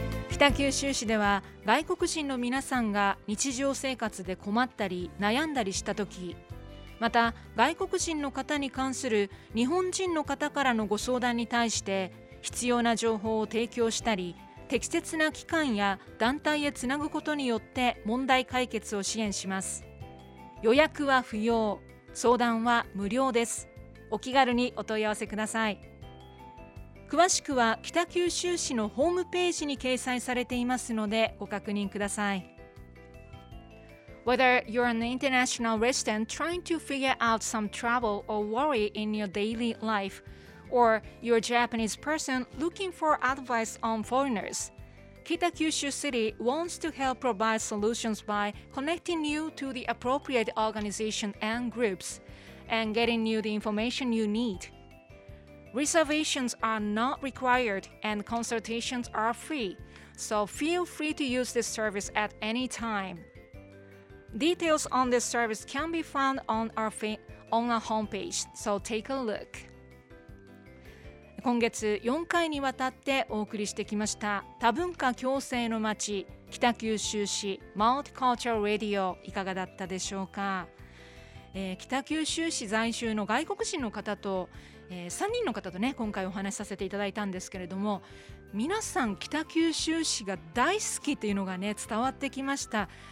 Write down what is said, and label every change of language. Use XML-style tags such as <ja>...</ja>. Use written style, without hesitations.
<ja>北九州市では外国人の皆さんが日常生活で困ったり悩んだりした時、また外国人の方に関する日本人の方からのご相談に対して必要な情報を提供したり、適切な機関や団体へつなぐことによって問題解決を支援します。予約は不要、相談は無料です。お気軽にお問い合わせください。詳しくは北九州市のホームページに掲載されていますのでご確認ください。</ja> <en>Whether you're an international resident trying to figure out some trouble or worry in your daily life, or you're a Japanese person looking for advice on foreigners, Kita Kyushu City wants to help provide solutions by connecting you to the appropriate organization and groups and getting you the information you need. Reservations are not required and consultations are free, so feel free to use this service at any time. Details on this service can be found on our homepage, so take a look.</en> <ja>今月4回にわたってお送りしてきました多文化共生の街北九州市、マルティカルチャルラディオ、いかがだったでしょうか。北九州市在住の外国人の方と、3人の方とね、今回お話しさせていただいたんですけれども、皆さん北九州市が大好きというのがね伝わってきました。</ja>